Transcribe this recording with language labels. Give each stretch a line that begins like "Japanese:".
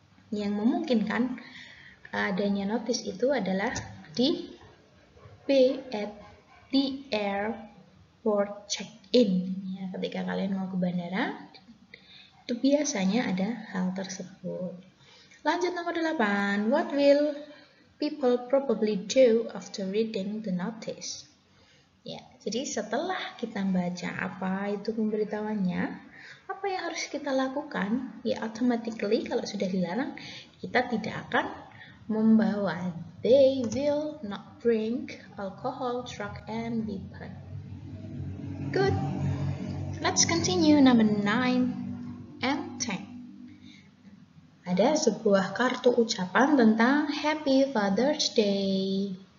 Indonesian: Yang memungkinkan adanya notice itu adalah di B
English: at the airport check-in.
Indonesian: Ya, ketika kalian mau ke bandara, itu biasanya ada hal tersebut. Lanjut nomor 8.
English: What will people probably do after reading the notice?
Indonesian: Ya, jadi setelah kita baca apa itu pemberitahuannya, apa yang harus kita lakukan? Ya, automatically kalau sudah dilarang, kita tidak akan membawa.
English: They will not drink alcohol, truck, and weapon. Good. Let's continue number 9 and 10.
Indonesian: Ada sebuah kartu ucapan tentang Happy Father's Day.